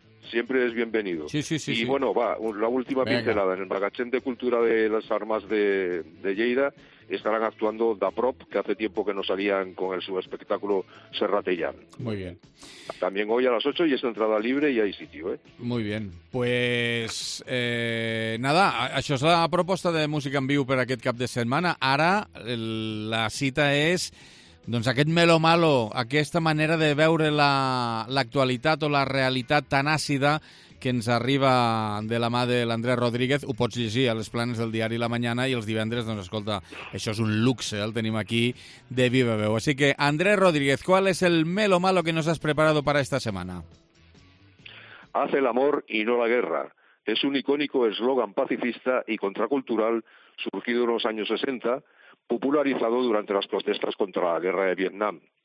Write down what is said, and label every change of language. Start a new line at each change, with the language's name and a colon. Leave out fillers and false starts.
Spanish: Siempre es bienvenido. Sí, sí, sí. Y bueno, va, la última pincelada. En el Magatzem de Cultura de las Armas de Lleida estarán actuando Da Prop, que hace tiempo que no salían con el subespectáculo Serratellán. Muy bien. También hoy a las 8 y es entrada libre y hay sitio, ¿eh? Muy bien. Pues nada,
Catalan: això és la proposta de música en viu per aquest cap de setmana. Ara la cita és, doncs, aquest melo malo, aquesta manera de veure l'actualitat o la realitat tan àcida que ens arriba de la mà de l'Andrés Rodríguez. Ho pots llegir a les planes del diari La Mañana i els divendres, doncs, escolta, això és un luxe, el tenim aquí de viva veu. Així que,
Spanish: Andrés Rodríguez, ¿cuál es el melo malo que nos has preparado para esta semana? Hace el amor y no la guerra. Es un icónico eslogan pacifista y contracultural surgido en los años 60, popularizado durante las protestas contra la guerra de Vietnam.